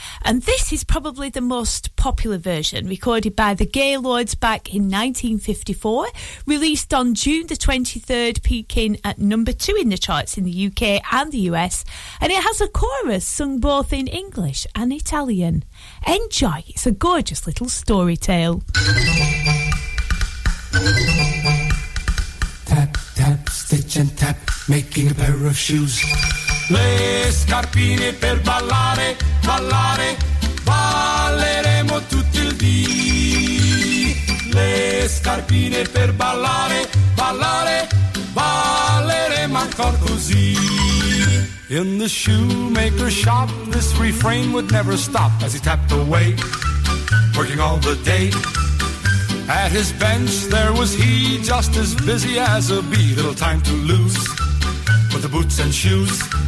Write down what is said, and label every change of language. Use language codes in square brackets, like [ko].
[en] And this is probably the most popular version, recorded by the Gaylords back in 1954, released on June the 23rd, peaking at number 2 in the charts in the UK and the US. And it has a chorus sung both in English and Italian. Enjoy, it's a gorgeous little story tale. Tap, tap, stitch and tap, making a pair of shoes. [it] Le scarpine per ballare, ballare, balleremo tutto il dì. Le scarpine per ballare, ballare, balleremo ancora così. [en] In the shoemaker's shop, this refrain would never stop as he tapped away, working all the day. At his bench, there was he, just as busy as a bee. Little time to lose with the boots and shoes.